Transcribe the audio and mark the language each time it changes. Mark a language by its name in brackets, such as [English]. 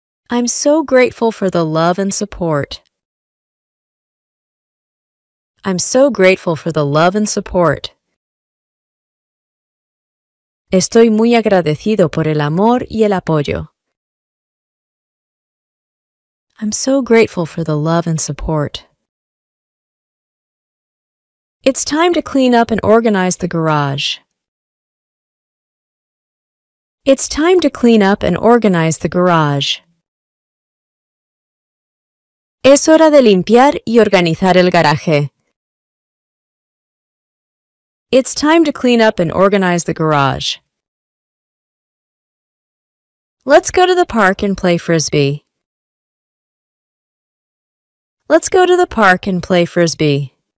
[English] I'm so grateful for the love and support. I'm so grateful for the love and support. [Spanish] Estoy muy agradecido por el amor y el apoyo. [English] I'm so grateful for the love and support. It's time to clean up and organize the garage. It's time to clean up and organize the garage. [Spanish] Es hora de limpiar y organizar el garaje. [English] It's time to clean up and organize the garage. Let's go to the park and play frisbee. Let's go to the park and play frisbee.